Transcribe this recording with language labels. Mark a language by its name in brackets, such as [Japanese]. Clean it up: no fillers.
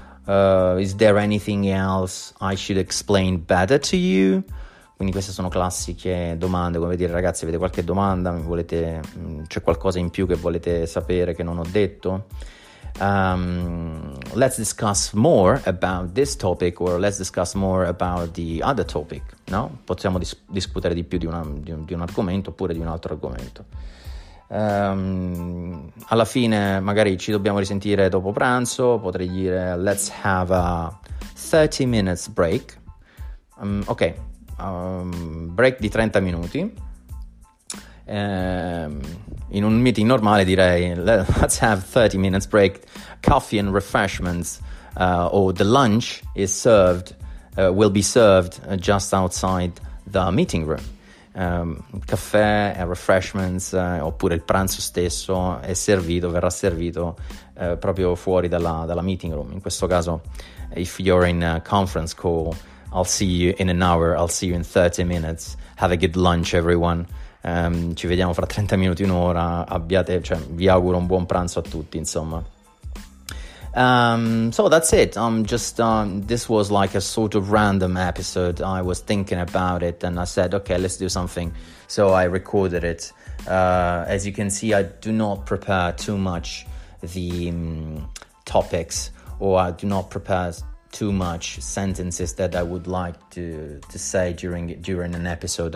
[English] Is there anything else I should explain better to you? [Italian] Quindi queste sono classiche domande, come dire, ragazzi, avete qualche domanda? C'è qualcosa in più che volete sapere che non ho detto? [English] Let's discuss more about this topic, or let's discuss more about the other topic, no? [Italian] Possiamo discutere di più di un argomento oppure di un altro argomento. Alla fine magari ci dobbiamo risentire dopo pranzo, potrei dire [English] let's have a 30 minutes break. [Italian] Break di 30 minuti. In un meeting normale direi [English] let's have 30 minutes break, coffee and refreshments, or the lunch is served, will be served just outside the meeting room. [Italian] Caffè e refreshments, oppure il pranzo stesso verrà servito proprio fuori dalla meeting room. In questo caso, [English] if you're in a conference call, I'll see you in an hour, I'll see you in 30 minutes, have a good lunch everyone. [Italian] Ci vediamo fra 30 minuti, un'ora, vi auguro un buon pranzo a tutti, insomma. [English] So that's it. This was like a sort of random episode. I was thinking about it and I said, okay, let's do something. So I recorded it. As you can see, I do not prepare too much the topics, or I do not prepare too much sentences that I would like to say during an episode.